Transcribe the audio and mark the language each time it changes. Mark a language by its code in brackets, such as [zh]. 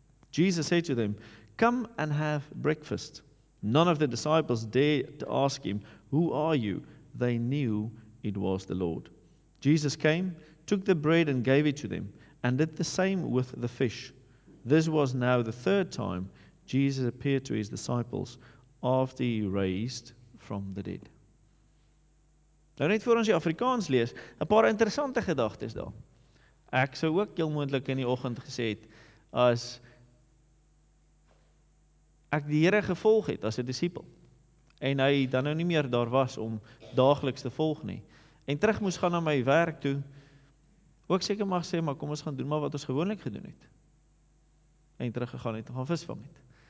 [en] Jesus said to them, come and have breakfast. None of the disciples dared to ask him, who are you? They knew it was the Lord. Jesus came, took the bread and gave it to them, and did the same with the fish. This was now the third time Jesus appeared to his disciples after he raised from the dead. [af] Nou net voor ons die Afrikaans lees, 'n paar interessante gedagtes daar. Ek sou ook heel moontlik in die oggend gesê het, as ek die Here gevolg het as 'n disipel, en hy dan nou nie meer daar was om daagliks te volg nie, en terug moes gaan na my werk toe, ook seker mag sê, maar kom ons gaan doen maar wat ons gewoonlik gedoen het. En teruggegaan het en gaan visvang het.